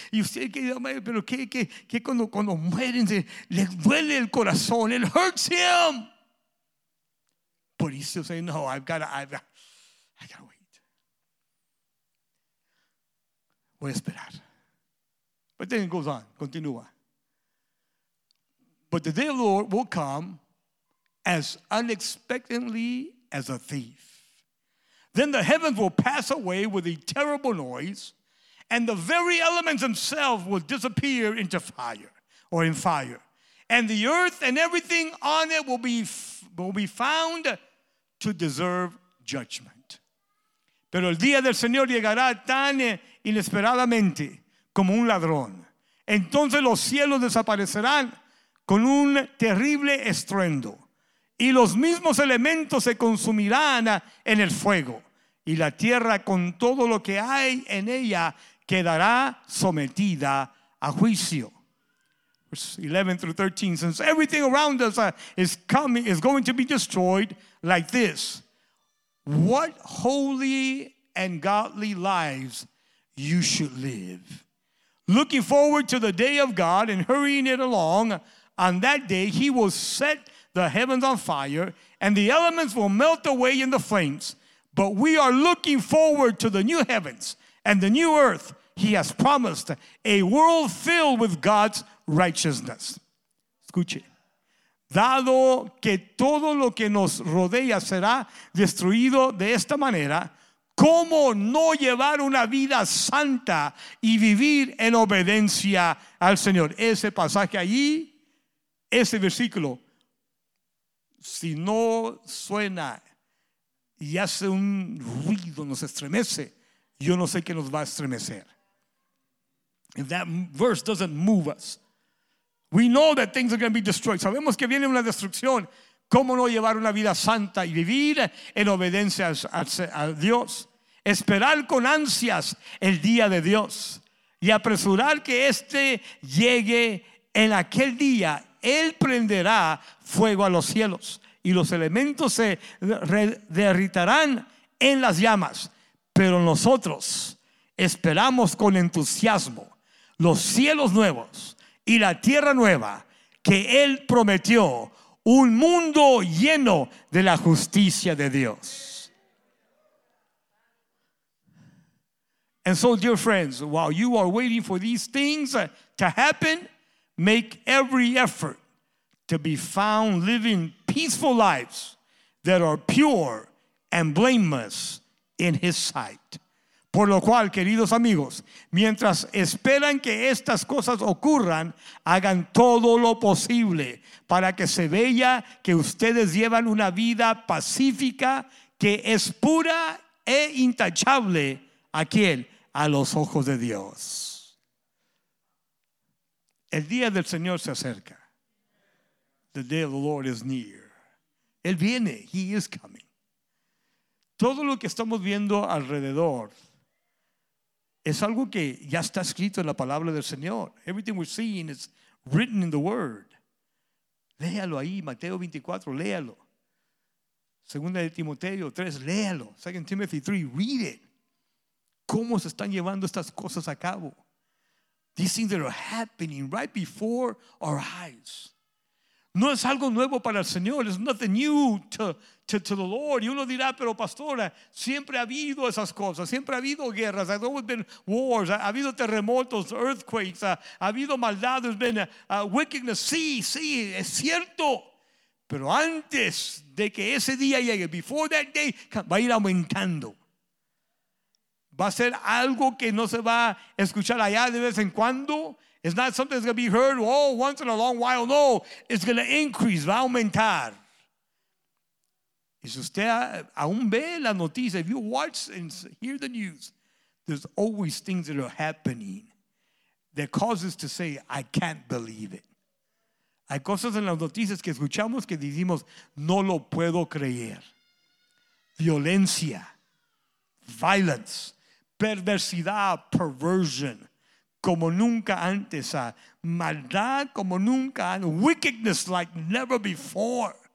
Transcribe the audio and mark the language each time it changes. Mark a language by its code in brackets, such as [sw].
[es] Y usted que dice, pero que cuando mueren, le duele el corazón. [en] It hurts him. But he still says, no, I've got to wait. [es] Voy a esperar. [en] But then it goes on, continúa. But the day of the Lord will come as unexpectedly as a thief. Then the heavens will pass away with a terrible noise, and the very elements themselves will disappear into fire, or in fire. And the earth and everything on it will be found to deserve judgment. [es] Pero el día del Señor llegará tan inesperadamente como un ladrón. Entonces los cielos desaparecerán con un terrible estruendo. Y los mismos elementos se consumirán en el fuego. Y la tierra con todo lo que hay en ella quedará sometida a juicio. [en] Verse 11 through 13. Since everything around us is going to be destroyed like this, what holy and godly lives you should live. Looking forward to the day of God and hurrying it along, on that day He will set the heavens on fire, and the elements will melt away in the flames. But we are looking forward to the new heavens and the new earth he has promised, a world filled with God's righteousness. [es] Escuche. Dado que todo lo que nos rodea será destruido de esta manera, ¿cómo no llevar una vida santa y vivir en obediencia al Señor? Ese pasaje allí, ese versículo, si no suena y hace un ruido, nos estremece, yo no sé qué nos va a estremecer. [en] If that verse doesn't move us, we know that things are going to be destroyed. [es] Sabemos que viene una destrucción. ¿Cómo no llevar una vida santa y vivir en obediencia a Dios? Esperar con ansias el día de Dios y apresurar que este llegue en aquel día. Él prenderá fuego a los cielos y los elementos se derritarán en las llamas. Pero nosotros esperamos con entusiasmo los cielos nuevos y la tierra nueva que Él prometió, un mundo lleno de la justicia de Dios. [en] And so, dear friends, while you are waiting for these things to happen, make every effort to be found living peaceful lives that are pure and blameless in His sight. [es] Por lo cual, queridos amigos, mientras esperan que estas cosas ocurran, hagan todo lo posible para que se vea que ustedes llevan una vida pacífica que es pura e intachable a quien, a los ojos de Dios. El día del Señor se acerca. [en] The day of the Lord is near. [es] Él viene. [en] He is coming. [es] Todo lo que estamos viendo alrededor es algo que ya está escrito en la palabra del Señor. [en] Everything we're seeing is written in the Word. [es] Léalo ahí, Mateo 24, léalo. Segunda de Timoteo 3, léalo. [en] Second Timothy 3, read it. [es] ¿Cómo se están llevando estas cosas a cabo? [en] These things that are happening right before our eyes. [es] No es algo nuevo para el Señor. [en] It's nothing new to the Lord. [es] Y uno dirá, pero pastora, siempre ha habido esas cosas. Siempre ha habido guerras. [en] There's always been wars. [es] Ha habido terremotos, earthquakes. Ha habido maldad. [en] There's been wickedness. [es] Sí, sí, es cierto. Pero antes de que ese día llegue, [en] before that day, [es] va a ir aumentando. Va a ser algo que no se va a escuchar allá de vez en cuando. [en] It's not something that's going to be heard, oh, once in a long while. No, it's going to increase, [es] va a aumentar. Y si usted aún ve la noticia, [en] if you watch and hear the news, there's always things that are happening that causes to say, I can't believe it. [es] Hay cosas en las noticias que escuchamos que decimos, no lo puedo creer. Violencia, violence, perversidad, perversion, como nunca antes, maldad como nunca, [en] wickedness like never before.